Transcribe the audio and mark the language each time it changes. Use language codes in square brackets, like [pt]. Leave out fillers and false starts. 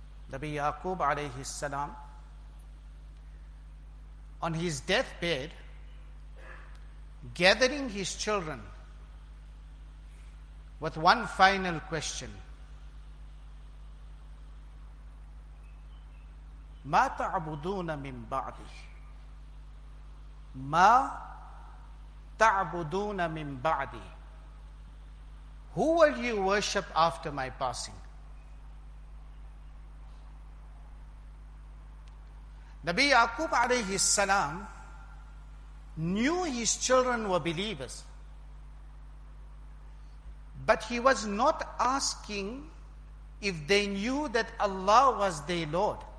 [en] Nabi Yaqub alayhi salam, on his deathbed, gathering his children with one final question. [ar] مَا تَعْبُدُونَ مِنْ بَعْدِي مَا تَعْبُدُونَ مِنْ بَعْدِي [en] Who will you worship after my passing? Nabi Yaqub alayhi salam knew his children were believers. But he was not asking if they knew that Allah was their Lord.